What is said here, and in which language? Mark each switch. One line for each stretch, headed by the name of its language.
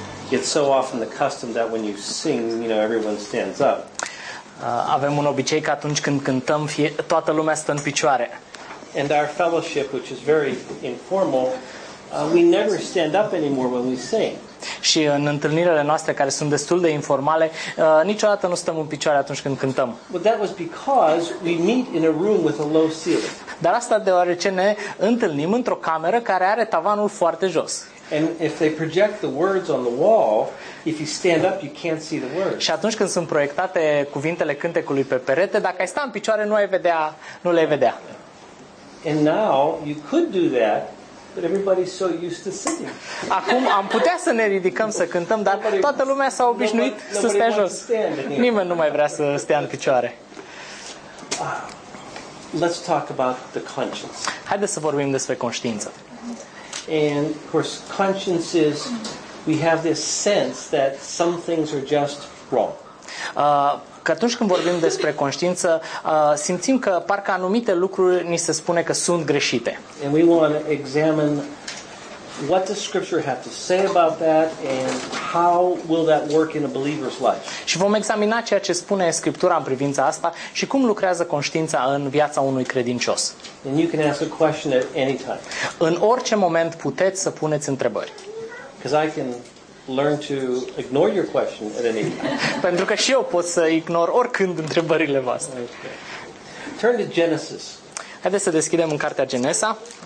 English: it's so often the custom that when you sing, you know, everyone stands up.
Romanian: Avem un obicei că atunci când cântăm, toată lumea stă în picioare.
English: And our fellowship, which is very informal, we never stand up anymore when we sing.
Romanian: Și în întâlnirile noastre care sunt destul de informale, niciodată nu stăm în picioare atunci când cântăm.
English: But that was because we meet in a room with a low ceiling.
Romanian: Dar asta deoarece ne întâlnim într-o cameră care are tavanul foarte jos.
English: And if they project the words on the wall, if you stand up, you can't see the words.
Romanian: Și atunci când sunt proiectate cuvintele cântecului pe perete, dacă ai sta în picioare, nu le vedea.
English: And now you could do that, but everybody's so used to sitting.
Romanian: Acum am putea să ne ridicăm să cântăm, dar toată lumea s-a obișnuit să stea jos. Nimeni nu mai vrea să stea în picioare.
English: Let's talk about the conscience.
Romanian: Haideți să vorbim despre conștiință.
English: And of course, conscience is, we have this sense that some things are just wrong.
Romanian: Că atunci când vorbim despre conștiință, simțim că parcă anumite lucruri ni se spune că sunt greșite.
English: And we want to examine what does scripture have to say about that and how will that work in a believer's life.
Romanian: Și vom examina ceea ce spune Scriptura în privința asta și cum lucrează conștiința în viața unui credincios.
English: And you can ask a question at any time.
Romanian: În orice moment puteți să puneți întrebări.
English: Because I can learn to ignore your question at any time.
Romanian: Pentru că și eu pot să ignor oricând întrebările voastre.
English: Okay. Turn to Genesis.
Romanian: Haideți să deschidem în cartea Genesa.